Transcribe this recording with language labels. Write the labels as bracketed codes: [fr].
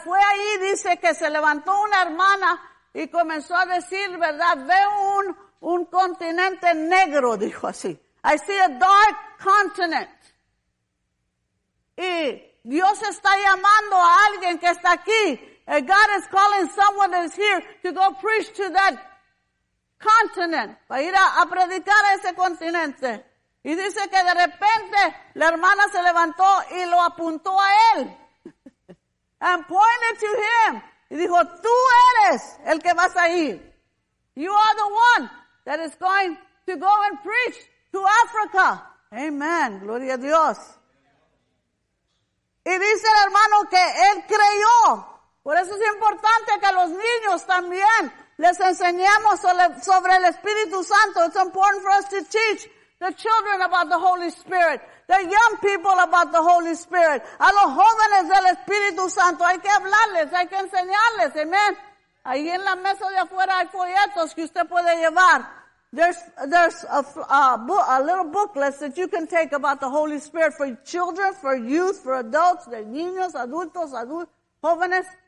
[es] Fue ahí, dice, que se levantó una hermana y comenzó a decir, ¿verdad? Veo un continente negro, dijo así. [en] I see a dark continent. [es] Y Dios está llamando a alguien que está aquí. [en] And God is calling someone that is here to go preach to that continent. [es] Para ir a predicar a ese continente. Y dice que de repente la hermana se levantó y lo apuntó a él. [en] And pointed to him. [es] Y dijo, tú eres el que vas a ir. [en] You are the one that is going to go and preach to Africa. [es] Amen. Gloria a Dios. Y dice el hermano que él creyó. Por eso es importante que los niños también les enseñemos sobre el Espíritu Santo. [en] It's important for us to teach The children about the Holy Spirit. The young people about the Holy Spirit. [es] A los jóvenes del Espíritu Santo. Hay que hablarles, hay que enseñarles. Amen. Ahí en la mesa de afuera hay folletos que usted puede llevar. [en] There's a little booklet that you can take about the Holy Spirit for children, for youth, for adults, [es] de niños, adultos, jóvenes.